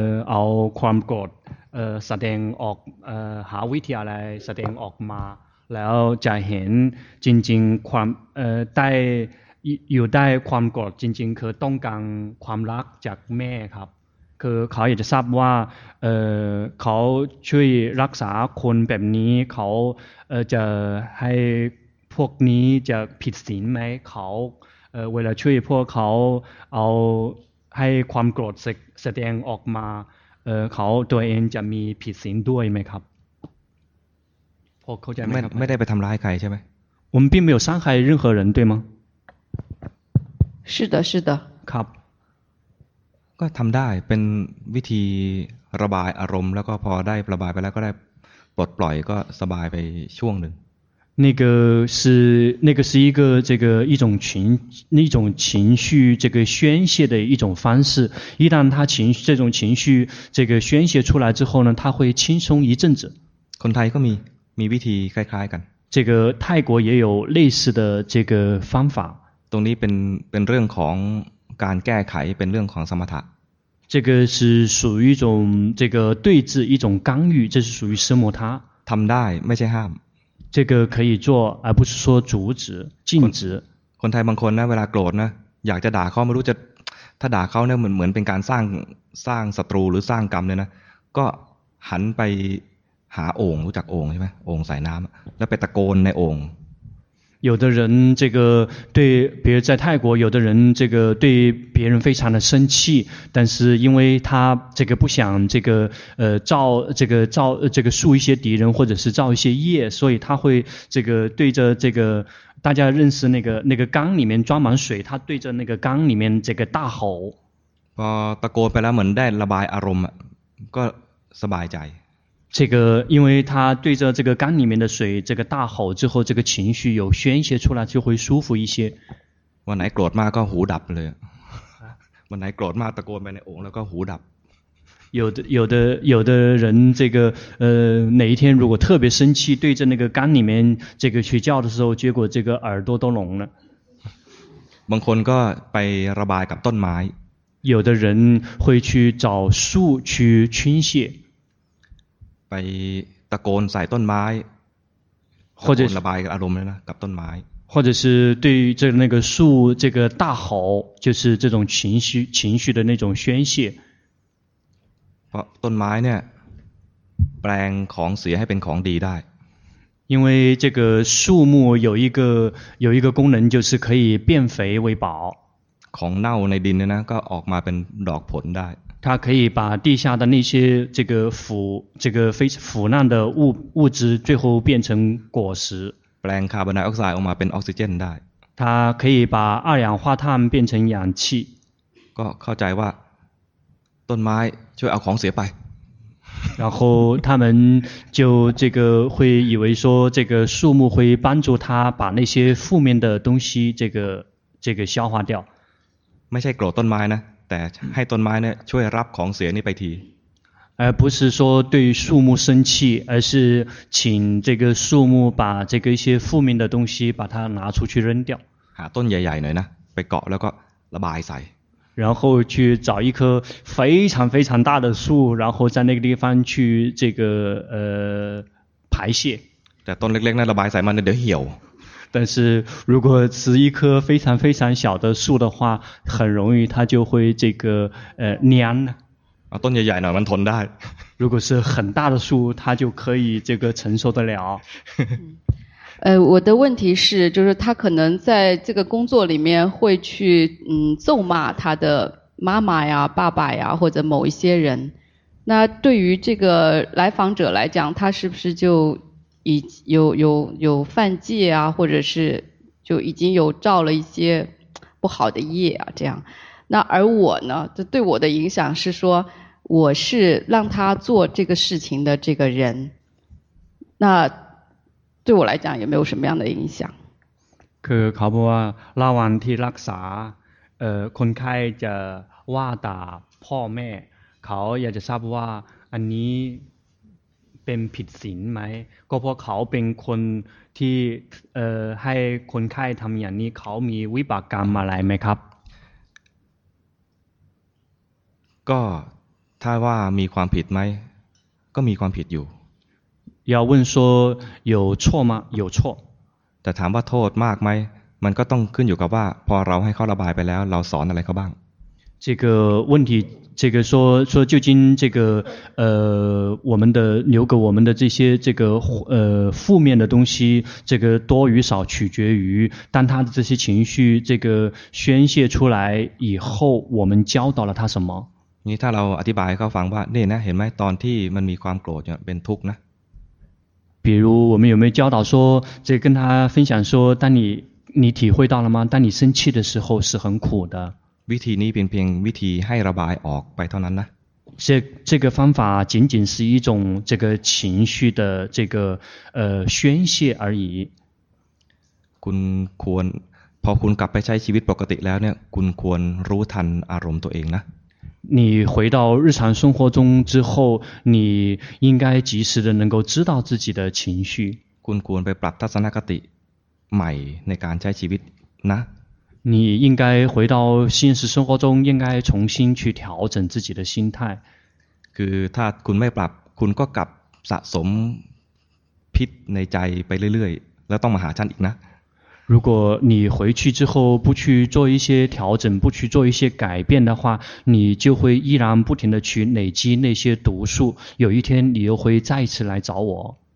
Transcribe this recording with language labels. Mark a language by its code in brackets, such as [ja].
[th] เอาความกดแสดงออกหาวิธีอะไรแสดงออกมาแล้วจะเห็นจริงๆความได้อยู่ได้ความกดจริงๆคือต้องการความรักจากแม่ครับคือเขาอยากจะทราบว่าเขาช่วยรักษาคนแบบนี้เขาจะให้พวกนี้จะผิดศีลไหมเขา เวลาช่วยพวกเขาเอาให้ความโกรธแสดงออกมาเขาตัวเองจะมีผิดศีลด้วยไหมครับพวกเขาจะไม่ ไม่ได้ไปทำร้ายใครใช่ไหม ผม [zh] 并没有伤害任何人对吗是的是的 [th] ครับ ก็ทำได้เป็นวิธีระบายอารมณ์แล้วก็พอได้ระบายไปแล้วก็ได้ปลดปล่อยก็สบายไปช่วงหนึ่ง [zh] 那个是一个这个一种情绪这个宣泄的一种方式一旦他情绪这种情绪这个宣泄出来之后呢他会轻松一阵子 [th] คนไทยก็มีวิธีคล้ายๆกัน [zh] 这个泰国也有类似的这个方法 [th] ตรงนี้เป็นเรื่องของการแก้ไขเป็นเรื่องของสมถะ [zh] 这个是属于一种这个对峙一种干预这是属于奢摩他 [th] ทำได้ไม่ใช่ห้าม [zh] 这个可以做而不是说阻止禁止 [th] คนไทยบางคนนะเวลาโกรธนะอยากจะด่าเขาไม่รู้จะถ้าด่าเขาเนี่ยเหมือนเป็นการสร้างศัตรูหรือสร้างกรรมเลยนะก็หันไปหาโอ่งรู้จักโอ่งใช่ไหมโอ่งสายน้ำแล้วไปตะโกนในโอ่ง [zh] 有的人这个对比如在泰国有的人这个对别人非常的生气但是因为他这个不想这个造树一些敌人或者是造一些业所以他会这个对着这个大家认识那个缸里面装满水他对着那个缸里面这个大吼 [th] ตะโกนไปแล้วเหมือนได้ระบายอารมณ์ก็สบายใจ [zh] 这个因为他对着这个缸里面的水这个大吼之后，这个情绪有宣泄出来，就会舒服一些。 [th] วันไหนโกรธมากก็หูดับเลย。 วันไหนโกรธมากตะโกนไปในโอ่งแล้วก็หูดับ。 [zh] 有的人这个哪一天如果特别生气，对着那个缸里面这个去叫的时候，结果这个耳朵都聋了。 [th] บางคนก็ไประบายกับต้นไม้。 [zh] 有的人会去找树去倾泻。 [th] ไปตะโกนใส่ต้นไม้ [zh] 或者 [th] ระบายกับอารมณ์เลยนะกับต้นไม้ [zh] 或者是对于这那个树这个大吼就是这种情绪的那种宣泄 [th] เพราะต้นไม้เนี่ยแปลงของเสียให้เป็นของดีได้ [zh] 因为这个树木有一个功能就是可以变肥为宝 [th] ของเน่าในดินนะก็ออกมาเป็นดอกผลได้ [zh] 它可以把地下的那些这个腐这个非腐烂的物质最后变成果实。 [th] แปลงคาร์บอนไดออกไซด์ออกมาเป็นออกซิเจนได้。 [zh] 它可以把二氧化碳变成氧气。 [th] ก็เข้าใจว่าต้นไม้ช่วยเอาของเสียไป。 [zh] 然后他们就这个会以为说这个树木会帮助他把那些负面的东西这个消化掉。 [th] ไม่ใช่โกรธต้นไม้นะแต่ให้ต้นไม้เนี่ยช่วยรับของเสียนี่ไปที [zh] 不是说对树木生气而是请这个树木把这个一些负面的东西把它拿出去扔掉 [th] หาต้นใหญ่ๆ หน่อยนะไปเกาะแล้วก็ระบายใส่ [zh] 然后去找一棵非常非常大的树然后在那个地方去这个排泄 [th] แต่ต้นเล็กๆนะระบายใส่มันเดี๋ยวเหี่ยว [zh] 但是如果是一棵非常非常小的树的话很容易它就会这个蔫了。 [th] ต้นใหญ่ๆหน่อยมันทนได้。 [zh] 如果是很大的树它就可以这个承受得了。我的问题是就是他可能在这个工作里面会去咒骂他的妈妈呀爸爸呀或者某一些人。那对于这个来访者来讲他是不是就有犯戒啊或者是就已经有造了一些不好的业啊这样那而我呢这对我的影响是说我是让他做这个事情的这个人那对我来讲也没有什么样的影响 [th] คือเขาบอกว่าระหว่างที่รักษาคนไข้จะว่าด่าพ่อแม่เขาอยากจะทราบว่าอันนี้เป็นผิดศีลไหมก็เพราะเขาเป็นคนที่ให้คนไข้ทำอย่างนี้เขามีวิบากกรรมอะไรไหมครับ ก็ถ้าว่ามีความผิดไหมก็มีความผิดอยู่ [zh] 要问说有错吗有错 [th] แต่ถามว่าโทษมากไหมมันก็ต้องขึ้นอยู่กับว่าพอเราให้เขาระบายไปแล้วเราสอนอะไรเขาบ้าง [zh] 这个问题这个说究竟这个我们的留给我们的这些这个负面的东西这个多与少取决于当他的这些情绪这个宣泄出来以后我们教导了他什么你 [th] ถ้าเราอธิบายให้เขาฟังว่านี่นะเห็นไหมตอนที่มันมีความโกรธเป็นทุกข์นะ [zh] 比如我们有没有教导说这跟他分享说当你体会到了吗当你生气的时候是很苦的 [th] วิธีนี้เป็นเพียงวิธีให้ระบายออกไปเท่านั้นนะ [zh] 这个方法仅仅是一种这个情绪的这个宣泄而已 [th] คุณควรพอคุณกลับไปใช้ชีวิตปกติแล้วเนี่ยคุณควรรู้ทันอารมณ์ตัวเองนะ [zh] 你回到日常生活中之后你应该及时的能够知道自己的情绪 [th] คุณควรไปปรับทัศนคติใหม่ในการใช้ชีวิตนะ [zh] 你应该回到现实生活中应该重新去调整自己的心态 [th] คือถ้าคุณไม่ปรับคุณก็กลับสะสมพิษในใจไปเรื่อยๆแล้วต้องมาหาฉันอีกนะ [zh] 如果你回去之后不去做一些调整不去做一些改变的话你就会依然不停地去累积那些毒素有一天你又会再次来找我